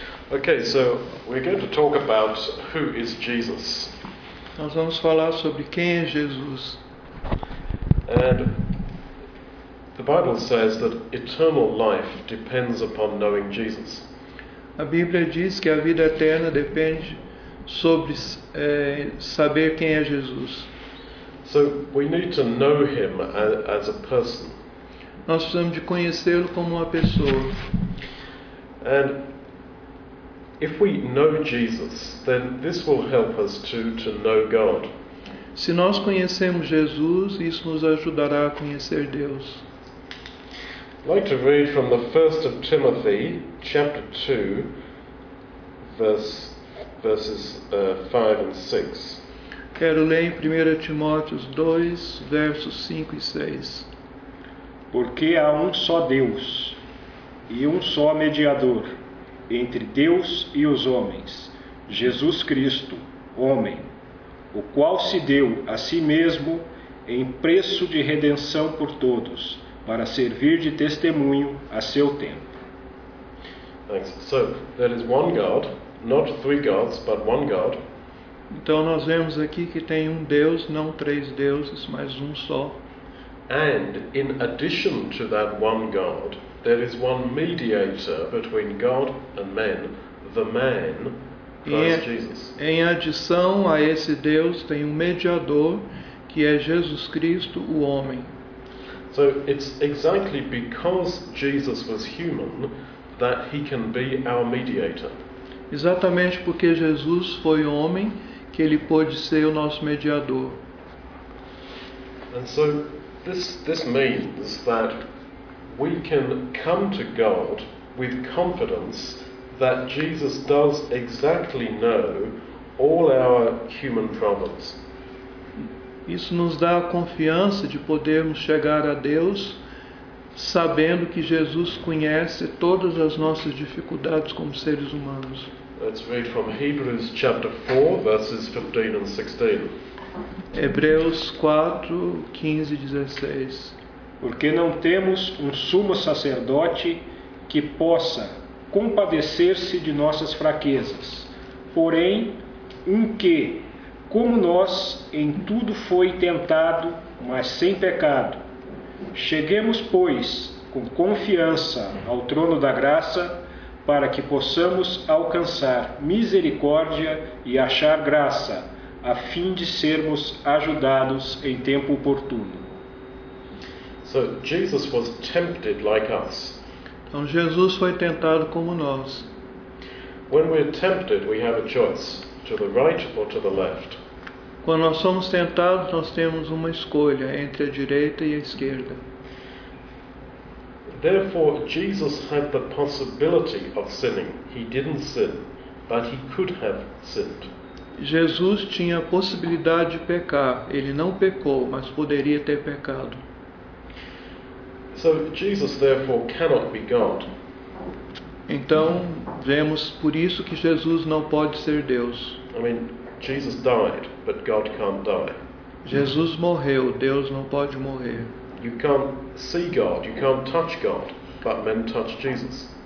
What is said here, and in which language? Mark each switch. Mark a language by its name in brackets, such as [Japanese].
[English] Okay, so we're going to talk about who is Jesus. [Portuguese] Nós vamos falar sobre quem é Jesus. [English] And the Bible says that eternal life depends upon knowing Jesus. [Portuguese] A Bíblia diz que a vida eterna depende sobre saber quem é Jesus. [English] So we need to know him as a person. [Portuguese] Nós precisamos de conhecê-lo como uma pessoa. [English] And if we know Jesus, then this will help us to know God. [Portuguese] Se nós conhecemos Jesus, isso nos ajudará a conhecer Deus. [English] I'd like to read from the 1st of Timothy, chapter 2, verses 5 and 6. [Portuguese] Quero ler em 1 Timóteo 2, versos 5 e 6. Porque há um só Deus, e um só mediador, entre Deus e os homens, Jesus Cristo, homem, o qual se deu a si mesmo em preço de redenção por todos, para servir de testemunho a seu tempo. [English] Thanks. So, there is one God, not three gods, but one God. [Portuguese] Então nós vemos aqui que tem um Deus, não três deuses, mas um só. [English] And in addition to that one God, there is one mediator between God and men, the man, Christ Jesus. [Portuguese] Em adição a esse Deus, tem um mediador, que é Jesus Cristo, o homem. [English] So it's exactly because Jesus was human that he can be our mediator. [Portuguese] Exatamente porque Jesus foi homem que ele pôde ser o nosso mediador. [English] And so this means that we can come to God with confidence that Jesus does exactly know all our human problems. [Portuguese] Isso nos dá a confiança de podermos chegar a Deus sabendo que Jesus conhece todas as nossas dificuldades como seres humanos. [English] Let's read from Hebrews chapter 4, verses 15 and 16. [Portuguese] Hebreus 4, 15 e 16. Porque não temos um sumo sacerdote que possa compadecer-se de nossas fraquezas, porém um que, como nós, em tudo foi tentado, mas sem pecado. Cheguemos, pois, com confiança ao trono da graça, para que possamos alcançar misericórdia e achar graça, a fim de sermos ajudados em tempo oportuno. [English] So Jesus was tempted like us. [Portuguese] Então Jesus foi tentado como nós. [English] When we're tempted, we have a choice, to the right or to the left. [Portuguese] Quando nós somos tentados, nós temos uma escolha entre a direita e a esquerda. [English] Therefore, Jesus had the possibility of sinning. He didn't sin, but he could have sinned. [Portuguese] Jesus tinha a possibilidade de pecar. Ele não pecou, mas poderia ter pecado. [English] So Jesus therefore cannot be God. [Portuguese] Então vemos por isso que Jesus não pode ser Deus. [English] I mean, Jesus died, but God can't die. [Portuguese] Jesus morreu, Deus não pode morrer. [English] You can't see God, you can't touch God, but men touch Jesus.